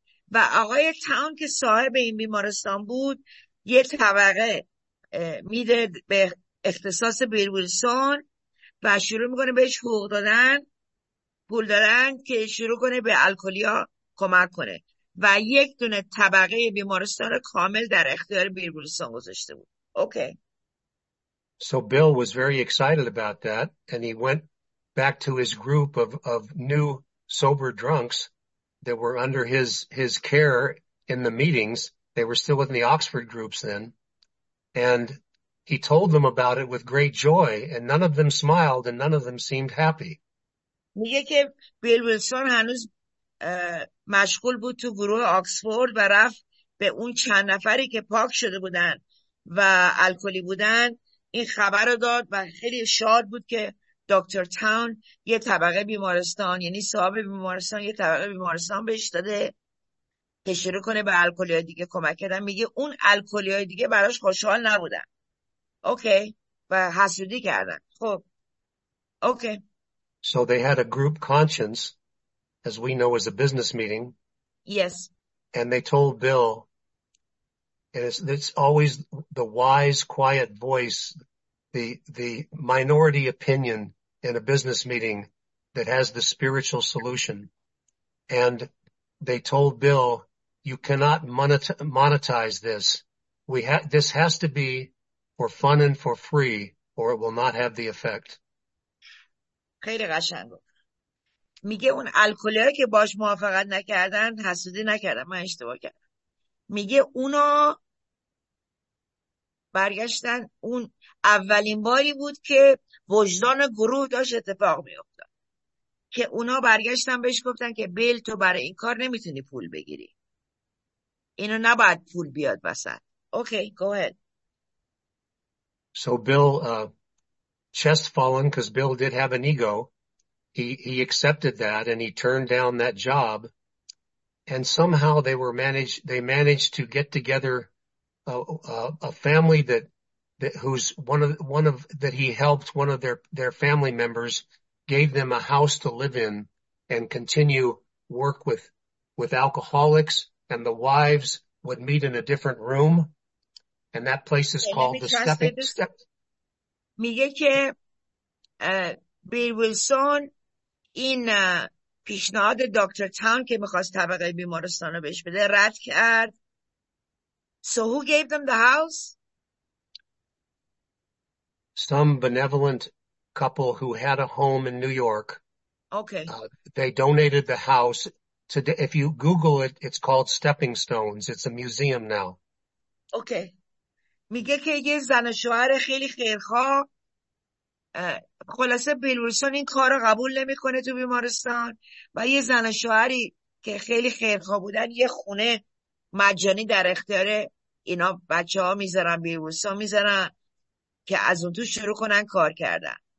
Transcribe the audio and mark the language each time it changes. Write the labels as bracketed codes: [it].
[fa] و آقای تاون که صاحب این بیمارستان بود، یه طبقه میده به اختصاص بیل ویلسون و شروع میکنه بهش حقوق دادن، پول دادن که شروع کنه به الکلیا کمک کنه و یک دونه طبقه بیمارستان کامل در اختیار بیل ویلسون گذاشته بود. [en] Okay. So Bill was very excited about that, and he went back to his group of new sober drunks that were under his care in the meetings. They were still within the Oxford groups then, and he told them about it with great joy, and none of them smiled, and none of them seemed happy. [fa] میگه که بیل ویلسون هنوز مشغول بود تو گروه آکسفورد و رفت به اون چند نفری که پاک شده بودن و الکلی بودن این خبر رو داد و خیلی شاد بود که دکتر تاون یه طبقه بیمارستان، یعنی صاحب بیمارستان یه طبقه بیمارستان بهش داده که شروع کنه به الکلی های دیگه کمک کردن. میگه اون الکلی های دیگه براش خوشحال نبودن. اوکی. و حسودی کردن. خب. اوکی. [en] So they had a group conscience, as we know as a business meeting. Yes. And they told Bill, and it's always the wise, quiet voice, the minority opinion in a business meeting that has the spiritual solution. And they told Bill, you cannot monetize this. This has to be for fun and for free, or it will not have the effect. [fa] خیلی قشنگ بود. میگه اون الکلی هایی که باش موافقت نکردن، حسودی نکردن، من اشتباه کردم. میگه اونا برگشتن، اون اولین باری بود که وجدان گروه داشت اتفاق میافتاد که اونا برگشتن بهش گفتن که بیل تو برای این کار نمیتونی پول بگیری، اینو نباید پول بیاد وسط. [en] Okay. Go ahead. So Bill chest fallen because Bill did have an ego. He accepted that and he turned down that job. And somehow they managed to get together a family that he helped, one of their family members gave them a house to live in and continue work with alcoholics, and the wives would meet in a different room. And that place is called the Stepping Step. [fa] میگه که بیل ویلسون این پیشنهاد دکتر تاون که میخواست طبقه بیمارستان رو بهش بده رد کرد. [en] So who gave them the house? Some benevolent couple who had a home in New York. Okay. They donated the house. Today, if you Google it, it's called Stepping Stones. It's a museum now. Okay. [fa] میگه که یه زن و شوهر خیلی خیرخواه، خلاصه بیل ویلسون این کار رو قبول نمی کنه تو بیمارستان، و یه زن و شوهری که خیلی خیرخواه بودن یه خونه مجانی در اختیار اینا بچه ها میذارن، بیل ویلسون میذارن که از اون تو شروع کنن کار کردن.